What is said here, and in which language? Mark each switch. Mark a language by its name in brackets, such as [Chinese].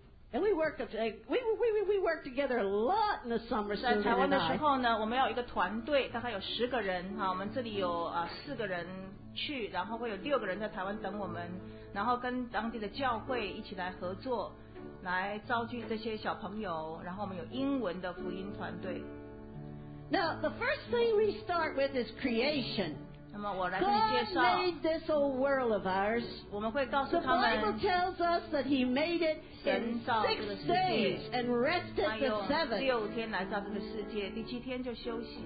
[English] And we work we work together a lot in the summer. [Chinese] 在台湾的时候呢，我们要一个团队，大概有十个人。好，我们这里有四个人去，然后会有六个人在台湾等我们。然后跟当地的教会一起来合作，来招聚这些小朋友。然后我们有英文的福音团队。 [English] Now the first thing we start with is creation. made this whole world of ours. The Bible tells us that He made it in 6 days and rested the seventh.